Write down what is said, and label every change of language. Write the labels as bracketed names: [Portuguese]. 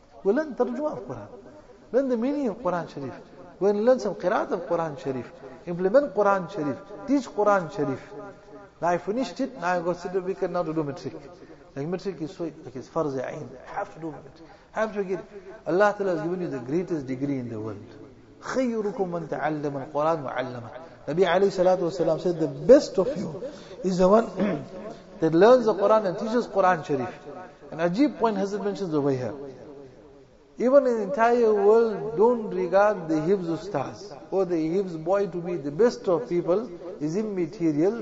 [English] We learn tarjumah of Quran. Learn the meaning of Quran Sharif. Go and learn some qiraat of Quran Sharif. Implement Quran Sharif. Teach Quran Sharif. Now I finished it, now I got certificate now to do matric. Like matric is so, like it's farz ayn. Have to do it. Have to get. Allah Ta'ala has given you the greatest degree in the world. [Arabic] خيركم من تعلم القرآن وعلمه. [English] Nabi alayhi salatu wasalam said, the best of you is the one that learns the Quran and teaches Quran Sharif. An ajeeb point Hazrat mentions over here. Even in the entire world, don't regard the Hibs ustaz or the Hibs boy to be the best of people is immaterial.